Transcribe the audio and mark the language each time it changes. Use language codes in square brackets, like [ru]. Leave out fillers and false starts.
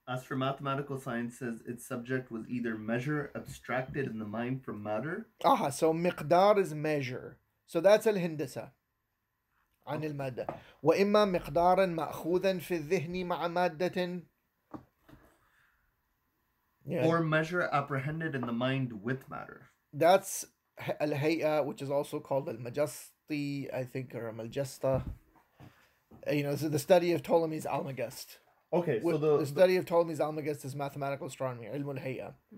[en] As for mathematical sciences, its subject was either measure abstracted in the mind from matter. Aha, so مِقْدَار is measure. So that's الهندسة. [ar] عن المادة وإما مقدارا مأخوذا في الذهن مع مادة [en] yeah. Or measure apprehended in the mind with matter. That's الهيئة, which is also called المجستي, I think, or المجستة. You know, this is the study of Ptolemy's Almagest. Okay, so the study of Ptolemy's Almagest is mathematical astronomy, علم الهيئة.